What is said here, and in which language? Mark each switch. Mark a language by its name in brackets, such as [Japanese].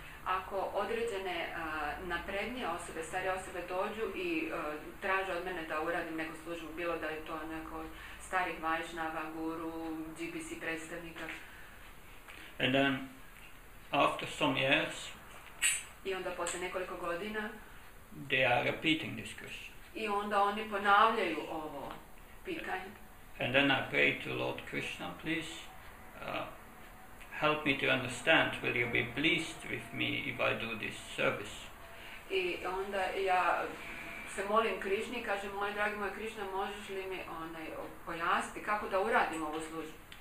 [Croatian] Ako određene naprednije osobe, starije osobe dođu i traže od mene da uradim neku službu, bilo da je to neko starih Vaishnava, guru, GBC predstavnika. [English] And then, after some years, [Croatian] i onda posle nekoliko godina, [English] they are repeating this question. [Croatian] I onda oni ponavljaju ovo pitanje. [English] And then I pray to Lord Krishna, please, help me to understand, will you be pleased with me if I do this service? [Croatian] I onda ja se molim Krišni, kažem, moj dragi moj Krišna, možeš li mi onaj pojasniti kako da uradim ovu službu?